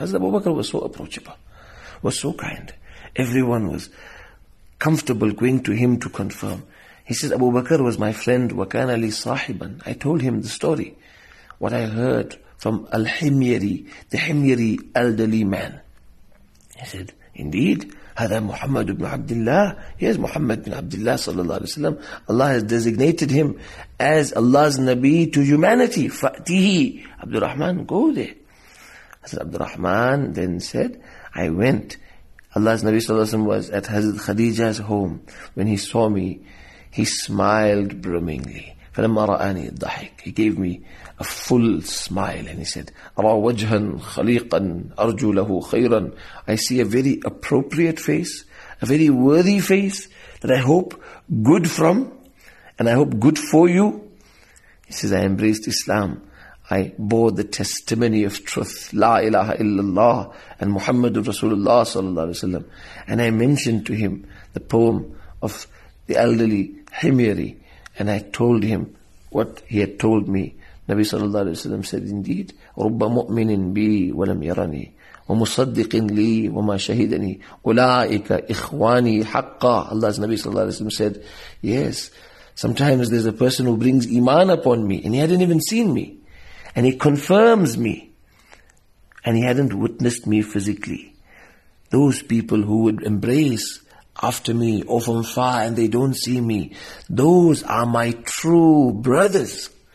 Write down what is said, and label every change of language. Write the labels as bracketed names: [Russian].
[English] Hazrat Abu Bakr was so approachable, was so kind. Everyone was comfortable going to him to confirm. He says, Abu Bakr was my friend, [Arabic] وَكَانَ لِي صَاحِبًا. [English] I told him the story, what I heard from Al-Himyari, the Himyari elderly man. He said, indeed, [Arabic] هَذَا مُحَمَّدُ بْنُ عَبْدِ اللَّهِ. [English] Yes, Muhammad bin Abdullah sallallahu alayhi wa sallam. Allah has designated him as Allah's Nabi to humanity. [Arabic] فَأْتِهِ. [English] Abdul Rahman, go there. Hazrat Abdul Rahman then said, I went. Allah's Nabi sallallahu alayhi wa sallam was at Hazrat Khadija's home. When he saw me, he smiled brimmingly. [Arabic] فَلَمَّا رَآنِي الضَّحِكِ. [English] He gave me a full smile and he said, [Arabic] أَرَى وَجْهًا خَلِيقًا أَرْجُو لَهُ خَيْرًا. [English] I see a very appropriate face, a very worthy face that I hope good from, and I hope good for you. He says, I embraced Islam. I bore the testimony of truth, La ilaha illallah, and Muhammadur Rasulullah sallallahu alayhi wa sallam. And I mentioned to him the poem of the elderly Himyari, and I told him what he had told me. Nabi sallallahu alayhi wa sallam said, indeed, [Arabic] رُبَّ مُؤْمِنٍ بِي وَلَمْ يَرَنِي وَمُصَدِّقٍ لِي وَمَا شَهِدَنِي أُولَٰئِكَ إِخْوَانِي حَقَّ. [English] Allah's Nabi sallallahu alayhi wa sallam said, yes, sometimes there's a person who brings iman upon me, and he hadn't even seen me, and he confirms me, and he hadn't witnessed me physically. Those people who would embrace after me, or from far, and they don't see me, those are my true brothers.